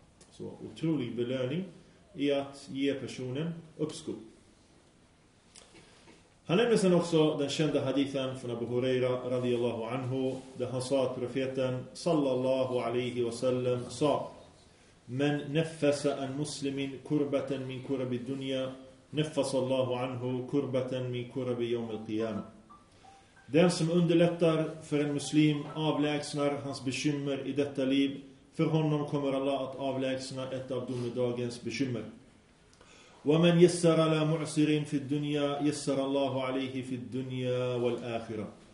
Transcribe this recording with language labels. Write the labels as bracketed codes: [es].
[sv] Så otrolig belöning i att ge personen uppskov. Han nämner sen också den kända hadithen från Abu Huraira radiyallahu anhu, där han sa att profeten sallallahu alaihi wasallam sa, [ar] men nefessa en muslimin kurbaten min kurabid dunya نفس الله عنه كربة من كرب يوم القيامة. [sv] Den som underlättar för en muslim avlägsnar hans bekymmer i detta liv. För honom kommer Allah att avlägsna ett av domedagens bekymmer. [ar] وَمَنْ يَسَّرَ لَا مُعْسِرٍ فِي الدُّنْيَا يَسَّرَ اللَّهُ عَلَيْهِ فِي الدُّنْيَا وَالْآخِرَةِ.